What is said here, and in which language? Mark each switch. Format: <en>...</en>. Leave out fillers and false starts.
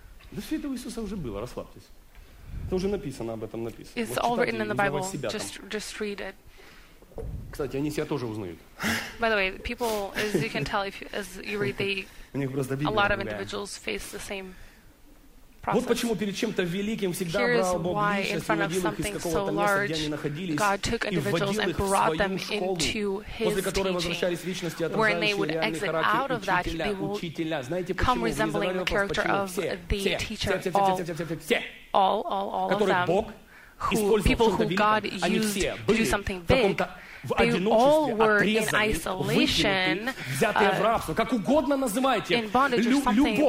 <ru>Да все это у Иисуса уже было, расслабьтесь. Это уже написано, об этом написано.</ru> <en>It's all written in the Bible. Just read it.</en> <ru>Кстати, они себя тоже узнают.</ru> <en>By the way, people, as you can tell, as you read, a lot of individuals face the same process.</en> <ru>Вот почему перед чем-то великим всегда брал Бог личность и вводил их из какого-то места, где они находились, и вводил их в свою школу, после которой возвращались личности, отражающие реальный характер учителя.</ru> <en>Wherein they would exit out of that, they will come resembling the character of the teacher, all of them, people who God used to do something big. They all were in isolation, in bondage or something.</en>